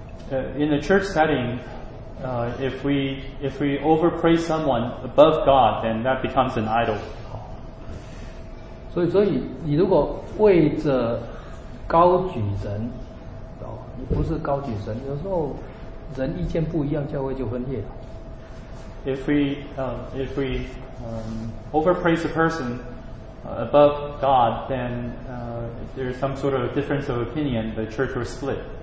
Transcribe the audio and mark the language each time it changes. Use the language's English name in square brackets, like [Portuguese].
[English] In the church setting, if we overpraise someone above God, then that becomes an idol. [Chinese] 所以你如果为着高举神，你不是高举神，有时候人意见不一样，教会就分裂了。 [English] If we overpraise a person above God, then if there's some sort of difference of opinion, the church will split.